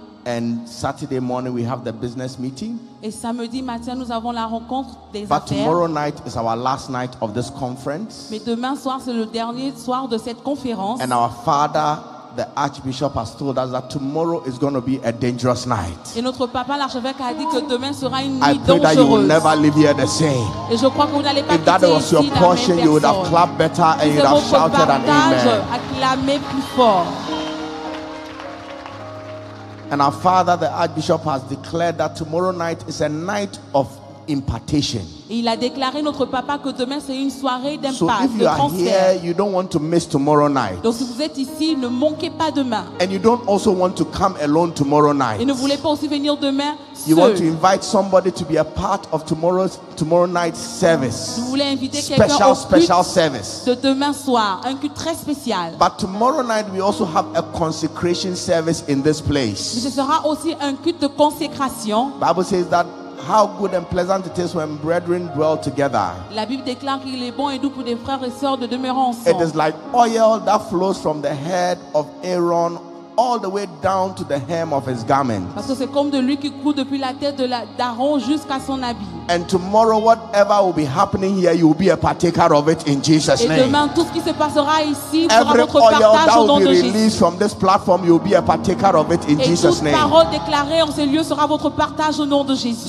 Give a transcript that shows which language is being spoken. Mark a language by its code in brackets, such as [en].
[en] And Saturday morning, we have the business meeting. [fr] Et samedi matin, nous avons la rencontre des affaires. [en] But tomorrow night is our last night of this conference. [fr] Mais demain soir, c'est le dernier soir de cette conférence. [en] And our Father, the Archbishop, has told us that tomorrow is going to be a dangerous night. [fr] Et notre papa, l'archevêque, a dit que demain sera une nuit dangereuse. [en] I pray that you will never live here the same. [fr] Et je crois que vous n'allez pas [en] if that was your portion, you would have clapped better and you would have shouted an amen. [fr] Acclamez plus fort. [en] And our Father, the Archbishop, has declared that tomorrow night is a night of impartation. [fr] Il a déclaré, notre papa, que demain c'est une soirée d'impact. [en] So if you are here, you don't want to miss tomorrow night. [fr] Donc si vous êtes ici, ne manquez pas demain. [en] And you don't also want to come alone tomorrow night. [fr] Et ne voulez pas aussi venir demain seul. [en] You want to invite somebody to be a part of tomorrow night's service. [fr] Vous voulez inviter [en] special, [fr] quelqu'un au culte [en] service [fr] de demain soir, un culte très spécial. [en] But tomorrow night we also have a consecration service in this place. [fr] Mais ce sera aussi un culte de consécration. [en] Bible says that how good and pleasant it is when brethren dwell together. [fr] La Bible déclare qu'il est bon et doux pour des frères et sœurs de demeurer ensemble. [en] It is like oil that flows from the head of Aaron all the way down to the hem of his garment. [fr] Parce que c'est comme de l'huile qui coule depuis la tête d'Aaron jusqu'à son habit. [en] And tomorrow, whatever will be happening here, you will be a partaker of it in Jesus' name. [fr] Et demain, tout ce qui se passera ici, sera votre [en] oil that will be released [fr] Jésus. [en] From this platform, you will be a partaker of it in [fr] et [en] Jesus' name. [fr] Et toute parole déclarée en ce lieu sera votre partage au nom de Jésus.